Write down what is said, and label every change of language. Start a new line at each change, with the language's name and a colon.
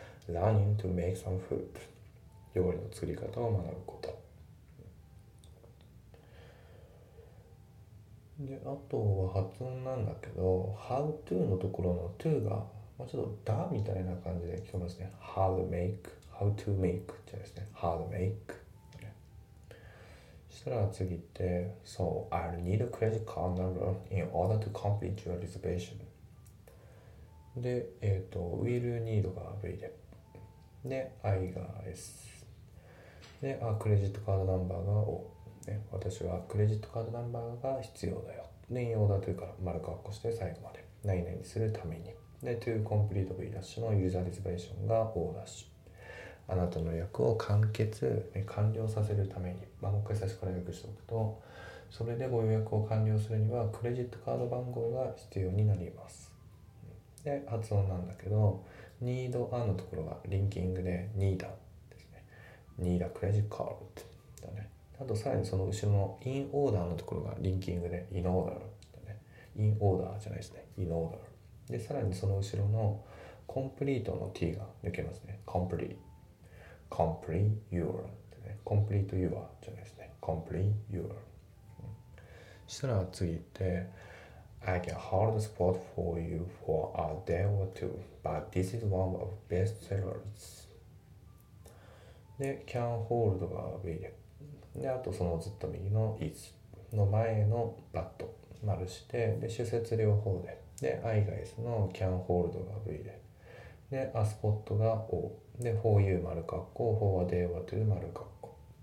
Japanese: Learning to make some food、料理の作り方を学ぶことで、あとは発音なんだけど How to のところの to がまあ、ちょっとだみたいな感じで聞こえますね。
English: How to make, how to make じゃないですね。 How to make。したら次って、 So I'll need a credit card number in order to complete your reservation。
Japanese: で、Will need が V で、で、I が S。で、あ、クレジットカードナンバーが O。ね、私はクレジットカードナンバーが必要だよ。で、in order to から丸括弧して最後まで何々するために。で、to complete V' のユーザーリズベーションが O'。あなたの役を完結、ね、完了させるために。まあ、もう一回最初から訳しておくと、それでご予約を完了するには、クレジットカード番号が必要になります。で、発音なんだけど、need a のところがリンキングで need a ですね。
English: need a credit card だね。
Japanese: あと、さらにその後ろの in order のところがリンキングで in order だね。 in order じゃないですね。
English: in order。
Japanese: で、さらにその後ろの complete の t が抜けますね。
English: complete。 complete your ってね。
Japanese: complete your じゃないですね。
English: complete your。うん、したら次って、 I can hold a spot for you for a day or two, but this is one of best sellers.
Japanese: で、can hold が V で。で、あとそのずっと右の is の前の but 丸して、で、主節両方で。で、I が S の can hold が V で。 で、a spot が O。で、for you 丸括弧、 for a day or two 丸括弧。